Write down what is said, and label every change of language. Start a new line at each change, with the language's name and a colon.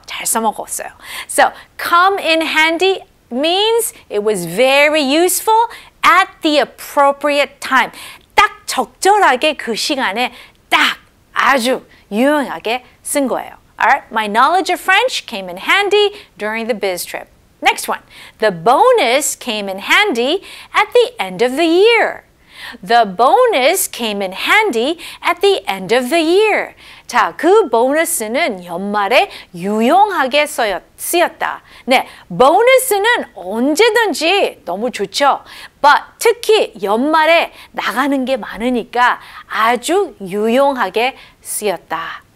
Korean: 잘 써먹었어요.
English: So, come in handy means it was very useful at the appropriate time.
Korean: 딱 적절하게 그 시간에 딱 아주 유용하게 쓴 거예요.
English: Alright, my knowledge of French came in handy during the biz trip. Next one. The bonus came in handy at the end of the year. The bonus came in handy at the end of the year.
Korean: 자, 그 보너스는 연말에 유용하게 쓰였다. 네, 보너스는 언제든지 너무 좋죠. But 특히 연말에 나가는 게 많으니까 아주 유용하게 쓰였다.